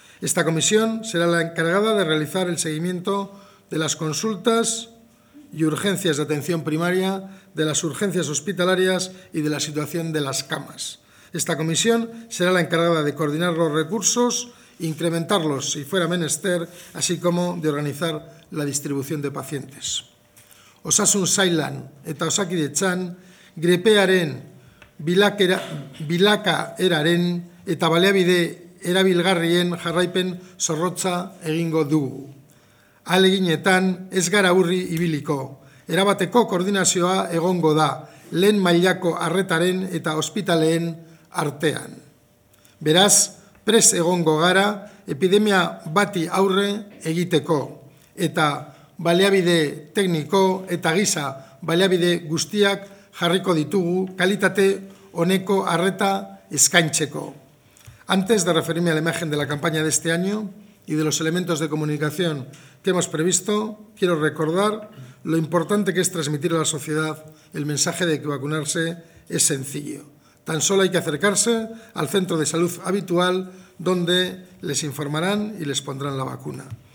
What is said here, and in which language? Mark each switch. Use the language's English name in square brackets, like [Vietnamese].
[Spanish] Esta comisión será la encargada de realizar el seguimiento de las consultas y urgencias de atención primaria, de las urgencias hospitalarias y de la situación de las camas. Esta comisión será la encargada de coordinar los recursos, incrementarlos si fuera menester, así como de organizar la distribución de pacientes. [Basque] Osasun sailan eta Osakidetzan gripearen bilakaeraren eta baliabide erabilgarrien jarraipen zorrotza egingo dugu. Ahaleginetan ez gara urri ibiliko. Erabateko koordinazioa egongo da lehen mailako arretaren eta ospitaleen artean. Beraz, pres egongo gara epidemia bati aurre egiteko eta baliabide tekniko eta giza baliabide guztiak jarriko ditugu kalitate honeko arreta eskaintzeko. [Spanish] Antes de referirme a la imagen de la campaña de este año y de los elementos de comunicación que hemos previsto, quiero recordar lo importante que es transmitir a la sociedad el mensaje de que vacunarse es sencillo. Tan solo hay que acercarse al centro de salud habitual donde les informarán y les pondrán la vacuna.